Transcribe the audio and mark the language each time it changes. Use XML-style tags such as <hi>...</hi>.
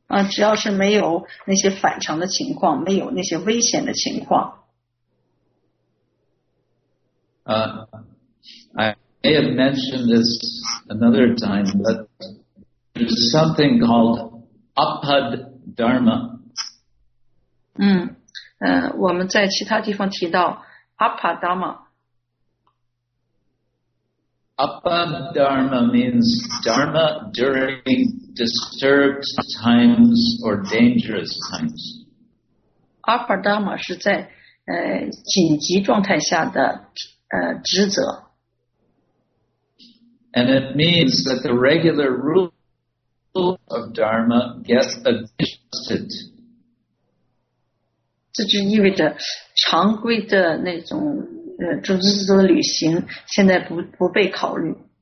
<zh>只要是没有那些反常的情况，没有那些危险的情况。</zh> <en>I may have mentioned this another time, but there's something called Apad Dharma.</en> <zh>我们在其他地方提到 Apadharma。</zh> <en>Apadharma means dharma during disturbed times or dangerous times.</en> <zh>Apadharma 是在紧急状态下的职责。</zh> <en>And it means that the regular rule of dharma gets adjusted.</en> <zh>这就意味着常规的那种组织制度的履行现在不被考虑。</zh>